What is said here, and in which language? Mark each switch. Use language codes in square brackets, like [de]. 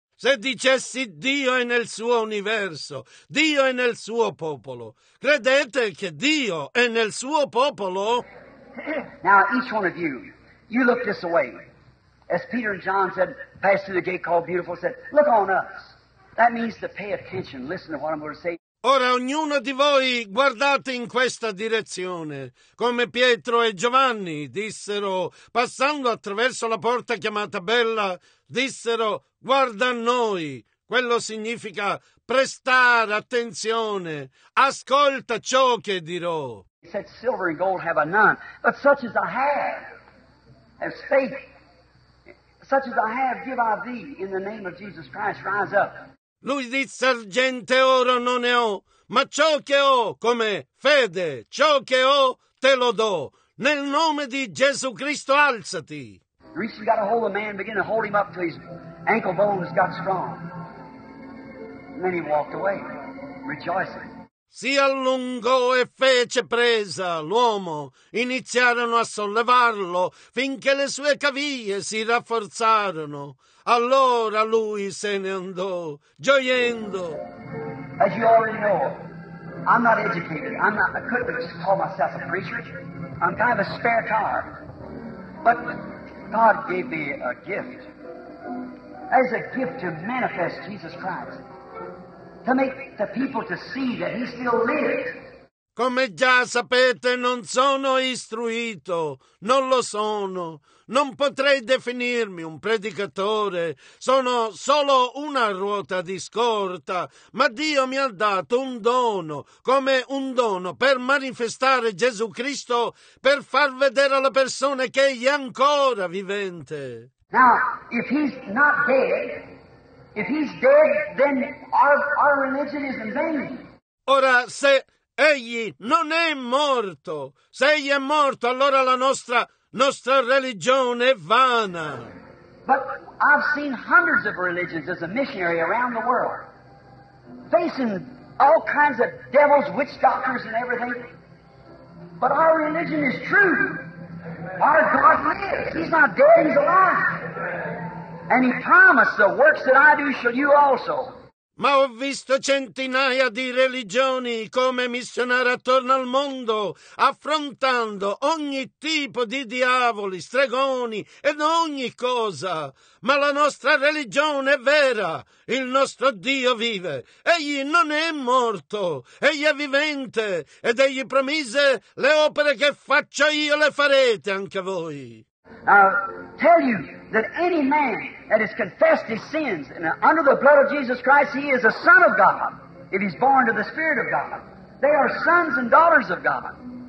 [it] Se dicessi Dio è nel suo universo, Dio è nel suo popolo, credete che Dio è nel suo popolo? [en] Now, each one of you, you look this way. As Peter and John said, passed through the gate called Beautiful, said, look on us. That means to pay attention, listen to what I'm going to say. [it] Ora, ognuno di voi guardate in questa direzione, come Pietro e Giovanni dissero, passando attraverso la porta chiamata Bella, dissero, guarda a noi. Quello significa prestare attenzione, ascolta ciò che dirò. [en] He said, silver and gold have I none, but such as I have faith, such as I have, give I thee, in the name of Jesus Christ, rise up. [it] Lui disse, argento e oro non ne ho, ma ciò che ho come fede, ciò che ho te lo do. Nel nome di Gesù Cristo, alzati. [en] Recently got a hold of a man, began to hold him up until his ankle bones got strong. Then he walked away, rejoicing. [it] Si allungò e fece presa l'uomo. Iniziarono a sollevarlo finché le sue caviglie si rafforzarono. Allora lui se ne andò, gioiendo. [en] As you already know, I'm not educated. I could have just called myself a preacher. I'm kind of a spare car. But God gave me a gift. As a gift to manifest Jesus Christ. To make the people to see that he still lives. [it] Come già sapete, non sono istruito, non lo sono. Non potrei definirmi un predicatore, sono solo una ruota di scorta, ma Dio mi ha dato un dono, come un dono per manifestare Gesù Cristo, per far vedere alle persone che egli è ancora vivente. [en] Now, if he's not dead, if he's dead, then our religion is in vain. [it] Ora, se egli non è morto, se egli è morto, allora la nostra religione è vana. [en] But I've seen hundreds of religions as a missionary around the world, facing all kinds of devils, witch doctors and everything. But our religion is true. Our God lives. He's not dead, he's alive. And he promised, the works that I do shall you also. [it] Ma ho visto centinaia di religioni come missionare attorno al mondo, affrontando ogni tipo di diavoli, stregoni ed ogni cosa. Ma la nostra religione è vera, il nostro Dio vive. Egli non è morto, egli è vivente, ed egli promise, le opere che faccio io le farete anche voi. [en] Tell you that any man that has confessed his sins and under the blood of Jesus Christ, he is a son of God. If he's born to the Spirit of God, they are sons and daughters of God.